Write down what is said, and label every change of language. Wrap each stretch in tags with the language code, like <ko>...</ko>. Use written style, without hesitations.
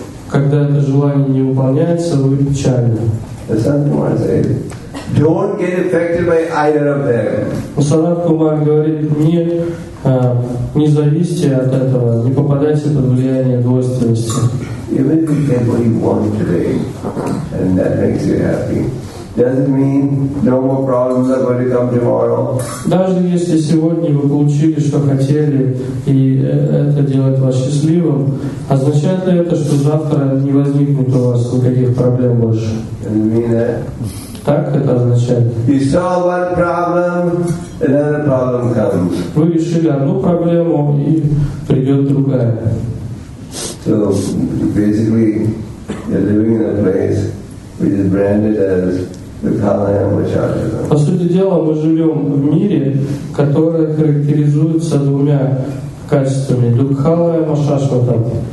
<ru>Когда это желание не выполняется, вы печальны.</ru> <en>Don't get affected by either of them.</en> <ru>Санат Кумар говорит, не зависите от этого, не попадайте под влияние двойственности.</ru> <en>Even if you get what you want today, and that makes you happy, doesn't mean no more problems are going to come tomorrow.</en> <ru>Даже если сегодня вы получили, что хотели, и это делает вас счастливым, означает ли это, что завтра не возникнет у вас никаких проблем больше?</ru> <en>You mean that?</en> <ru>Так это означает.</ru> <en>You solve one problem, another problem comes.</en> <ru>Вы решили одну проблему, и придет другая.</ru> <en>So basically, you're living in a place which is branded as the Kalayama Chakra.</en> <ru>По сути дела, мы живем в мире, которое характеризуется двумя качествами: Дукхалаяма Шашватам.</ru>